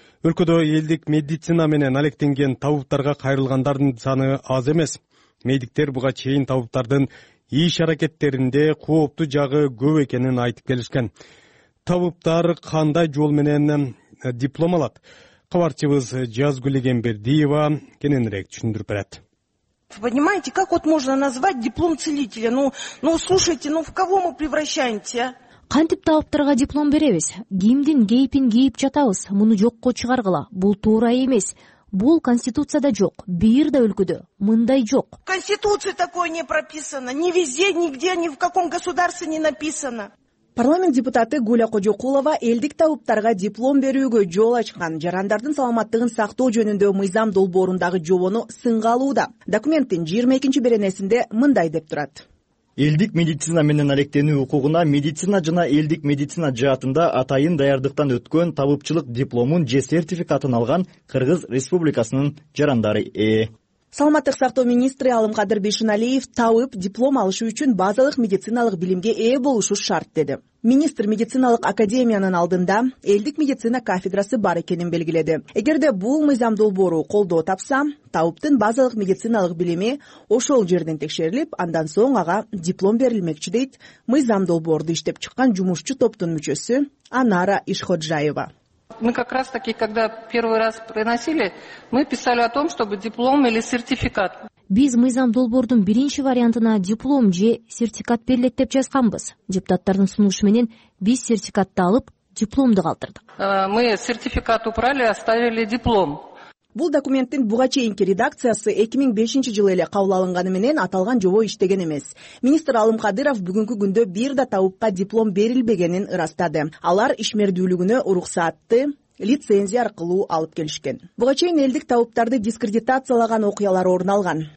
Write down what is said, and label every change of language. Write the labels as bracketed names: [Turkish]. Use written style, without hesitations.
[Kyrgyz] Өлкөдө элдик медицина менен алектенген табыптарга кайрылгандардын саны аз эмес. Медиктер буга чейин табыптардын иш аракеттеринде кооптуу жагы көп экенин айтып келишкен. Табыптар кандай жол менен диплом алат? Кабарчыбыз Жазгүл Эгембердиева кененирээк түшүндүрүп берет. [Russian] Вы понимаете, как вот можно назвать диплом целителя? Слушайте, в кого мы превращаемся? [Kyrgyz] Кантип табыптарга диплом беребиз? Кимдин кейпин кийип жатабыз? Муну жокко чыгаргыла. Бул туура эмес. Бул конституцияда жок. Бир да өлкөдө мындай жок. [Russian] В конституции такое не прописано. Ни везде, нигде, ни в каком государстве не написано. [Kyrgyz] Парламент депутаты Гуля Кожокулова элдик табыптарга диплом берүүгө жол ачкан жарандардын саламаттыгын сактоо жөнүндө мыйзам долбоорундагы жобону сынга алууда. Документтин 22-нчи беренесинде мындай деп турат. Элдик медицина менен алектенүү укугуна медицина жана элдик медицина жаатында атайын даярдыктан өткөн табыпчылык дипломун же сертификатын алган Кыргыз Республикасынын жарандары ээ. Саламаттык сактоо министри Алымкадыр Бейшиналиев табып диплом алышы үчүн базалык медициналык билимге ээ болушу шарт деди. Министр медициналык академиянын алдында элдик медицина кафедрасы бар экенин белгиледи. Эгерде бул мыйзам долбоору колдоо тапса, табыптын базалык медициналык билими ошол жерден текшерилип, андан соң ага диплом берилмекчи дейт мыйзам долбоорду иштеп чыккан жумушчу топтун мүчөсү Анара Ишходжаева. [Russian] Мы как раз таки, когда первый раз приносили, мы писали о том, чтобы диплом или сертификат. [Kyrgyz] Биз мыйзам долбоордун биринчи вариантына диплом же сертификат берилет деп жазганбыз. Депутаттардын сунушу менен биз сертификатты алып, дипломду калтырдык. [Russian] Мы сертификат убрали, оставили диплом. [Kyrgyz] Бул документтин буга чейинки редакциясы 2005 жылы эле кабыл алынганы менен аталган жобо иштеген эмес. Министр Алымкадыров бүгүнкү күндө бир да табыпка диплом берилбегенин ырастады. Алар ишмердүүлүгүнө уруксаатты лицензия аркылуу алып келишкен. Буга чейин элдик табыптарды дискредитациялаган окуялар орун алган.